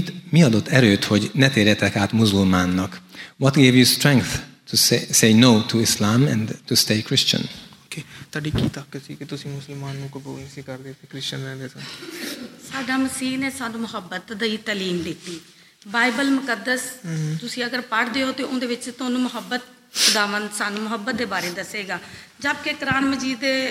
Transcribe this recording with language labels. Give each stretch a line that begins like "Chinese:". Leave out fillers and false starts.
Hungarian: Mi adott erőt, hogy ne térjetek át muzulmánnak?
English: What gave you strength to say no to Islam and to stay Christian?
Punjabi: ਤੜੀ ਕੀ ਤੱਕ ਸੀ ਕਿ ਤੁਸੀਂ ਮੁਸਲਮਾਨ ਨੂੰ ਕਬੂਲ ਸੀ ਕਰਦੇ ਤੇ ਕ੍ਰਿਸਚਨ ਰਹਿੰਦੇ ਸਨ ਸਾਡਾ ਮਸੀਹ ਨੇ ਸਾਨੂੰ ਮੁਹੱਬਤ ਦੀ ਤਾਲੀਮ ਦਿੱਤੀ ਬਾਈਬਲ ਮੁਕੱਦਸ ਤੁਸੀਂ ਅਗਰ ਪੜ੍ਹਦੇ ਹੋ ਤੇ ਉਹਦੇ ਵਿੱਚ ਤੁਹਾਨੂੰ ਮੁਹੱਬਤ ਖੁਦਾਵੰਦ ਸਾਨੂੰ ਮੁਹੱਬਤ ਦੇ ਬਾਰੇ ਦੱਸੇਗਾ ਜਦਕਿ ਕੁਰਾਨ ਮਜੀਦ